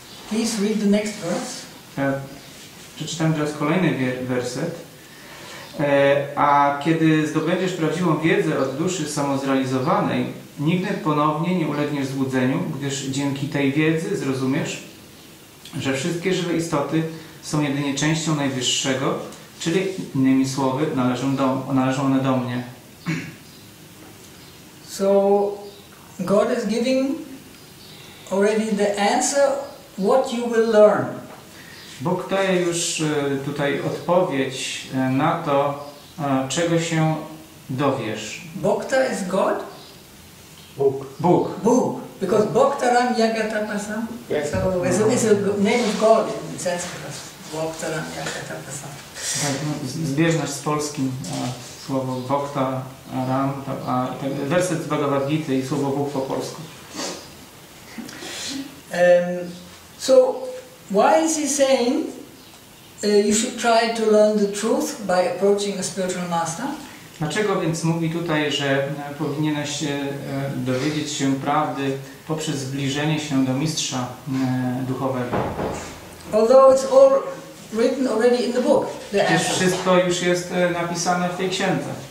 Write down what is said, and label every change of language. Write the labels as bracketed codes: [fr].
[en] Please read the next verse. [pl] Przeczytam teraz kolejny werset. A kiedy zdobędziesz prawdziwą wiedzę od duszy samozrealizowanej, nigdy ponownie nie ulegniesz złudzeniu, gdyż dzięki tej wiedzy zrozumiesz, że wszystkie żywe istoty są jedynie częścią Najwyższego, czyli innymi słowy, należą one do mnie. [en] So God is giving already the answer what you will learn. [pl] Bóg daje już tutaj odpowiedź na to, czego się dowiesz. [en] Bhakta is God? [pl] Bóg. [en] Bóg. Because Bhaktaram Yagatapasam. Yes. So it's a name of God in Sanskrit. Bhaktaram Yagatapasam. [pl] Tak, zbieżność z polskim słowo Bhakta Ram, werset z Bhagavad Gita i słowo Bóg po polsku. [en] So why is he saying you should try to learn the truth by approaching a spiritual master? [pl] Dlaczego więc mówi tutaj, że powinieneś dowiedzieć się prawdy poprzez zbliżenie się do mistrza duchowego? [en] Although it's all written already in the book. [pl] Przecież wszystko już jest napisane w tej księdze.